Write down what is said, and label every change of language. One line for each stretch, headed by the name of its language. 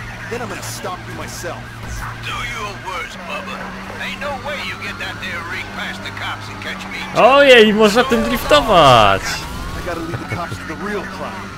English: Then I'm gonna stop you myself. Do your worst, Bubba. Ain't no way you get that there rig past the cops and catch me.
Polish: Ojej, można tym driftować.
English: I gotta leave the cops to the real crime.